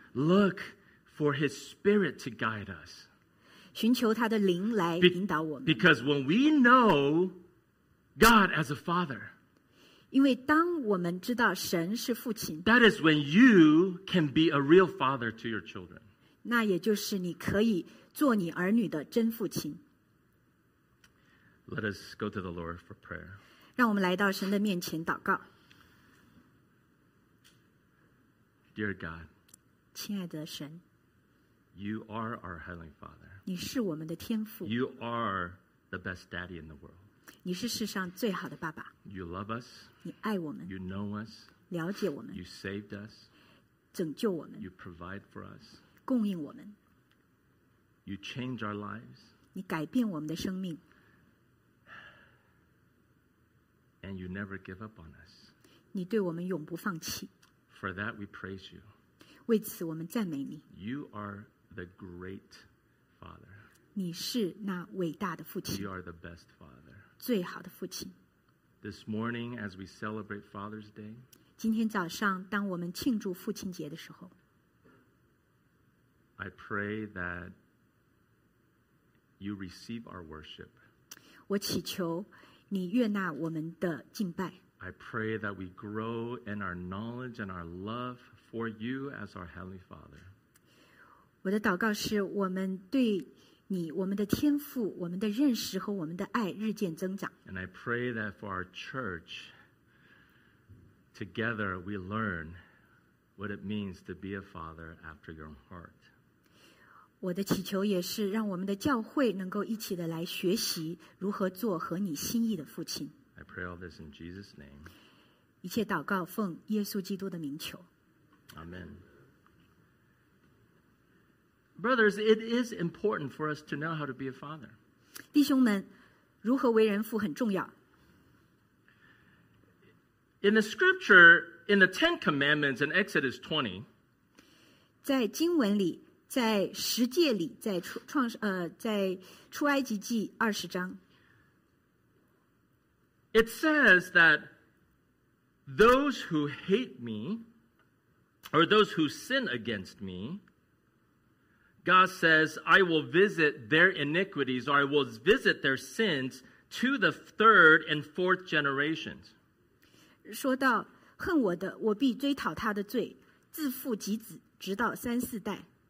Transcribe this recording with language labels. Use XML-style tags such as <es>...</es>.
<en>Look for His Spirit to guide us.</en> <zh>寻求他的灵来引导我们。</zh> <en>Because when we know God as a Father,</en> <zh>因为当我们知道神是父亲</zh> <en>That is when you can be a real father to your children.</en> <zh>那也就是你可以做你儿女的真父亲。</zh> <en>Let us go to the Lord for prayer.</en> <zh>让我们来到神的面前祷告。</zh> <en>Dear God,</en> <zh>亲爱的神</zh> <en>You are our Heavenly Father.</en> <zh>你是我们的天父。</zh> <en>You are the best daddy in the world.</en> <zh>你是世上最好的爸爸。</zh> <en>You love us.</en> <zh>你爱我们。</zh> <en>You know us.</en> <zh>了解我们。</zh> <en>You saved us.</en> <zh>拯救我们。</zh> <en>You provide for us.</en> <zh>供应我们。</zh> <en>You change our lives.</en> <zh>你改变我们的生命。</zh> <en>And you never give up on us.</en> <zh>你对我们永不放弃。</zh> <en>For that we praise you.</en> <zh>为此我们赞美你。</zh> <en>You are the great father.</en> <zh>你是那伟大的父亲。</zh> <en>You are the best father.</en> <zh>最好的父亲。</zh> <en>This morning, as we celebrate Father's Day,</en> <zh>今天早上，当我们庆祝父亲节的时候</zh> <en>I pray that you receive our worship.</en> <zh>我祈求你悦纳我们的敬拜。</zh> <en>I pray that we grow in our knowledge and our love for you as our Heavenly Father.</en> <zh>我的祷告是我们对你我们的天父我们的认识和我们的爱日渐增长。</zh> <en>And I pray that for our church, together we learn what it means to be a father after your own heart.</en> <zh>我的祈求也是让我们的教会能够一起的来学习如何做和你心意的父亲。</zh> <en>I pray all this in Jesus' name.</en> <zh>一切祷告奉耶稣基督的名求。</zh> <en>Amen. Brothers, it is important for us to know how to be a father.</en> <zh>弟兄们，如何为人父很重要。</zh> <en>In the scripture, in the Ten Commandments in Exodus 20,</en> <zh>在经文里，在十诫里，在出埃及记二十章，</zh> <en>it says that those who hate me, or those who sin against me,God says, I will visit their iniquities, or I will visit their sins to the third and fourth generations.</en> <zh>说到恨我的，我必追讨他的罪，自父及子，直到三四代。</zh>